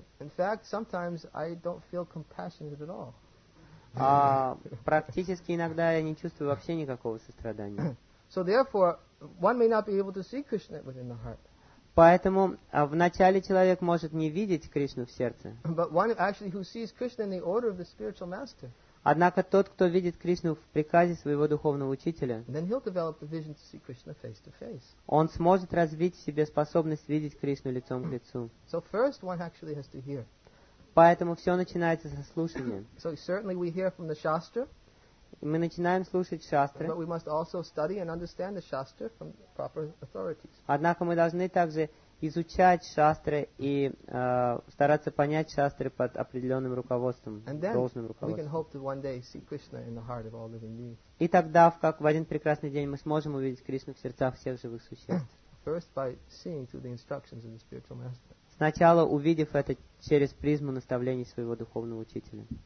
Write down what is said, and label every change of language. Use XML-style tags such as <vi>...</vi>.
<en>In fact, sometimes I don't feel compassionate at all.</en> <ru>А практически иногда я не чувствую вообще никакого сострадания.</ru> <en>So therefore, one may not be able to see Krishna within the heart.</en> <ru>Поэтому вначале человек может не видеть Кришну в сердце.</ru> <en>But one actually who sees Krishna in the order of the spiritual master.</en> <ru>Однако тот, кто видит Кришну в приказе своего духовного учителя,</ru> <en>then he'll develop the vision to see Krishna face to face.</en> <ru>Он сможет развить в себе способность видеть Кришну лицом к лицу.</ru> <en>So first one actually has to hear.</en> <ru>Поэтому все начинается со слушания.</ru> <en>So certainly we hear from the shastra.</en> <ru>Мы начинаем слушать шастры.</ru> <en>But we must also study and understand the shastra from proper authorities.</en> <ru>Однако мы должны также изучать шастры и стараться понять шастры под определенным руководством, должным руководством.</ru> <en>We can hope to one day see Krishna in the heart of all living beings.</en> <ru>И тогда, в один прекрасный день, мы сможем увидеть Кришну в сердцах всех живых существ.</ru> <en>First by seeing through the instructions of the spiritual master.</en> <ru>Сначала увидев это через призму наставлений своего духовного учителя.</ru>